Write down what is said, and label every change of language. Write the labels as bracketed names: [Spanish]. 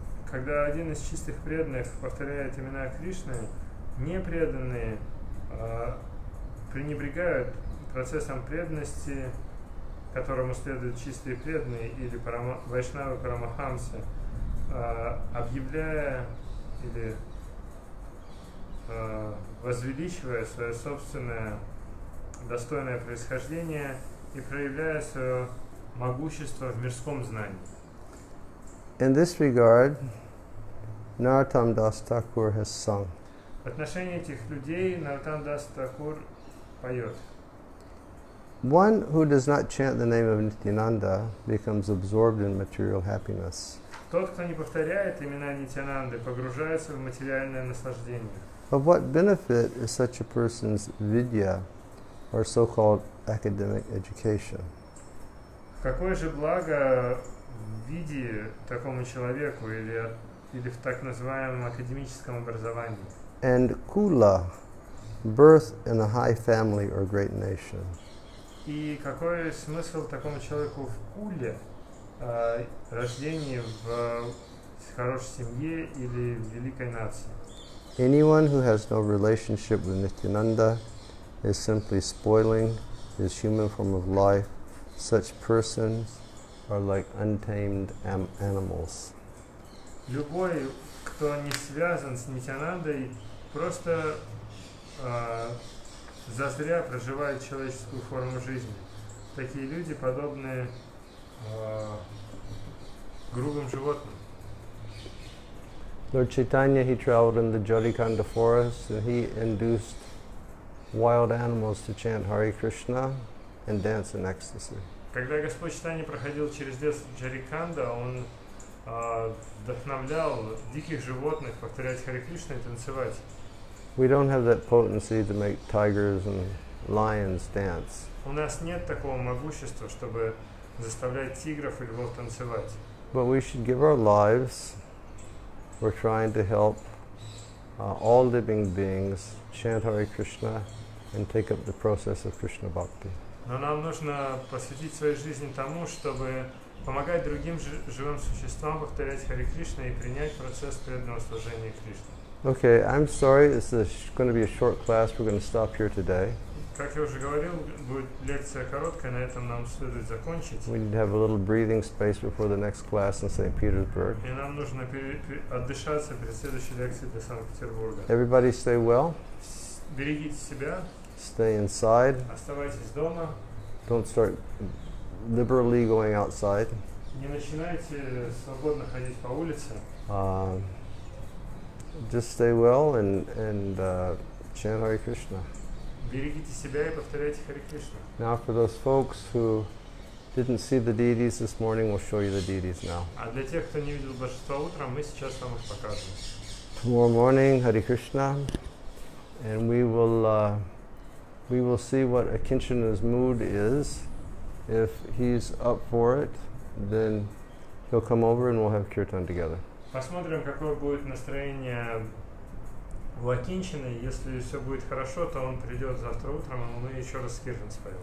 [Russian] Когда один из чистых преданных повторяет имена Кришны, непреданные пренебрегают процессом преданности, которому следуют чистые преданные или вайшнавы парамахамсы, объявляя или возвеличивая свое собственное достойное происхождение и проявляя свое могущество в мирском знании. [English] In this regard, Narottam Das Thakur has sung. [Russian] В отношении этих людей Narottam Das Thakur поет. [English] One who does not chant the name of Nityananda becomes absorbed in material happiness. [Russian] Тот, кто не повторяет имена Нитянанды, погружается в материальное наслаждение. [English] Of what benefit is such a person's vidya, or so-called academic education? [Russian] Какое же благо в виде такому человеку или в так называемом академическом образовании? [English] And kula, birth in a high family or great nation. [Russian] И какой смысл такому человеку в куле, рождении в хорошей семье или в великой нации? [English] Anyone who has no relationship with Nityananda is simply spoiling his human form of life. Such persons are like untamed animals. [Russian] Любой, кто не связан с Нитянандой, просто зазря проживает человеческую форму жизни. Такие люди подобны грубым животным. [English] Lord Chaitanya, he traveled in the Jodikanda forest and he induced wild animals to chant Hare Krishna and dance in ecstasy. [Russian] Когда Господь Чайтанья проходил через лес Джариканда, он вдохновлял диких животных повторять Харе Кришна и танцевать. [English] We don't have that potency to make tigers and lions dance. [Russian] У нас нет такого могущества, чтобы заставлять тигров и львов танцевать. [English] But we should give our lives. We're trying to help all living beings chant Hare Krishna and take up the process of Krishna bhakti. [Russian] Но нам нужно посвятить свою жизнь тому, чтобы помогать другим живым существам повторять Хари Кришна и принять процесс преданного служения Кришне. [English] Okay, I'm sorry, this is going to be a short class, we're going to stop here today. [Russian] Как я уже говорил, будет лекция короткая, на этом нам следует закончить. [English] We need to have a little breathing space before the next class in St. Petersburg. [Russian] И нам нужно отдышаться перед следующей лекцией для Санкт-Петербурга. [English] Everybody stay well. [Russian] Берегите себя. [English] Stay inside. [Russian] Оставайтесь дома. [English] Don't start liberally going outside. [Russian] Не начинайте свободно ходить по улице. [English] Just stay well and chant Hare Krishna. [Russian] Берегите себя и повторяйте Хари Кришна. [English] Now for those folks who didn't see the deities this morning, we'll show you the deities now. [Russian] А для тех, кто не видел божества утром, мы сейчас вам их покажем. [English] Tomorrow morning, Hare Krishna, and we will see what Akinchana's mood is. If he's up for it, then he'll come over and we'll have kirtan together. [Russian] Посмотрим, какое будет настроение у Акинчины. Если все будет хорошо, то он придет завтра утром, и мы еще раз кирдан споем.